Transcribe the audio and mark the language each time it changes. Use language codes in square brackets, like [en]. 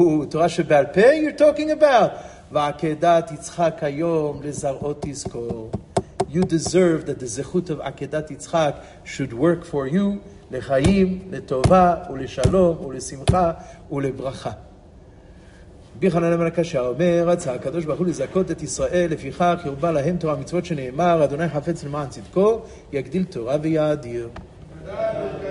[en] תורה שבעל פה, you're talking about. [he] ועקדת יצחק היום לזרעו תזכור. [en] You deserve that the זכות of עקדת יצחק should work for you [he] לחיים, לטובה ולשלום ולשמחה ולברכה. ביחנן המלכה שאומר, רצה הקדוש ברוך הוא לזכות את ישראל, לפיכך ירבה להם תורה מצוות שנאמר, אדוני חפץ למען צדקו, יגדיל תורה ויאדיר. תודה.